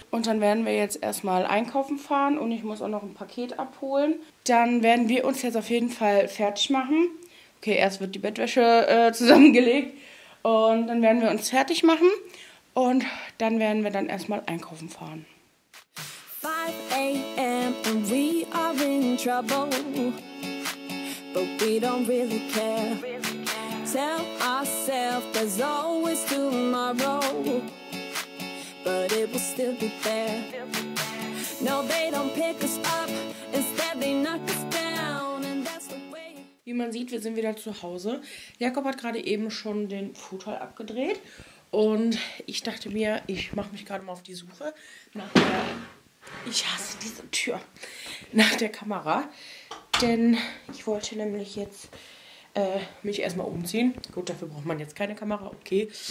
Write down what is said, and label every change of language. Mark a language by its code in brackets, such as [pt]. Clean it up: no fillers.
[de] Und dann werden wir jetzt erstmal einkaufen fahren und ich muss auch noch ein Paket abholen. Dann werden wir uns jetzt auf jeden Fall fertig machen. Okay, erst wird die Bettwäsche zusammengelegt und dann werden wir uns fertig machen und dann werden wir dann erstmal einkaufen fahren. [en] 5 a.m. and we are in trouble, but we don't really care. Tell ourselves there's always tomorrow, but it will still be there. No, they don't pick us up, instead they knock us down, and that's the way. [de] Wie man sieht, wir sind wieder zu Hause. Jakob hat gerade eben schon den Futon abgedreht und ich dachte mir, ich mache mich gerade mal auf die Suche nach der. Ich hasse diese Tür. Nach der Kamera. Denn ich wollte nämlich jetzt mich erstmal umziehen. Gut, dafür braucht man jetzt keine Kamera, okay.